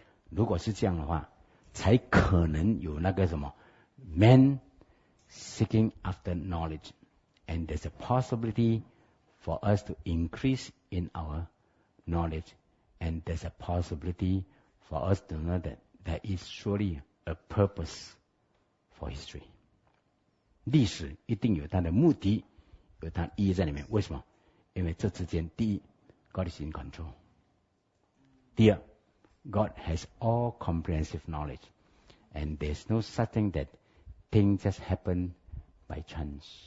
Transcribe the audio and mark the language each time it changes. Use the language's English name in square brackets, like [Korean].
[Chinese] 如果是这样的话，才可能有那个什么 [English] man seeking after knowledge, and there's a possibility for us to increase in our knowledge, and there's a possibility for us to know that there is surely a purpose for history. [Chinese] 历史一定有它的目的，有它的意义在里面。为什么？因为这之间，第一， [English] God is in control. [Chinese] 第二， [English] God has all comprehensive knowledge, and there's no such thing that things just happen by chance.